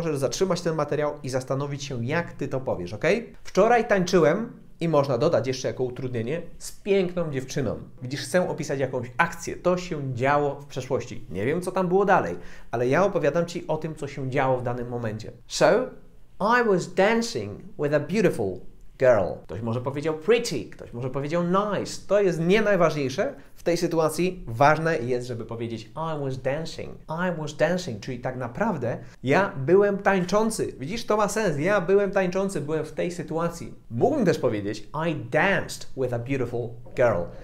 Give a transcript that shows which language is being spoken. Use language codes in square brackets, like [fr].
[pl] Możesz zatrzymać ten materiał i zastanowić się, jak Ty to powiesz, ok? Wczoraj tańczyłem, i można dodać jeszcze jako utrudnienie, z piękną dziewczyną. Widzisz, chcę opisać jakąś akcję. To się działo w przeszłości. Nie wiem, co tam było dalej, ale ja opowiadam Ci o tym, co się działo w danym momencie. [en] So, I was dancing with a beautiful girl. [pl] Ktoś może powiedział pretty, ktoś może powiedział nice. To jest nie najważniejsze. W tej sytuacji ważne jest, żeby powiedzieć [en] I was dancing. I was dancing, [pl] czyli tak naprawdę ja byłem tańczący. Widzisz, to ma sens. Ja byłem tańczący, byłem w tej sytuacji. Mógłbym też powiedzieć [en] I danced with a beautiful girl.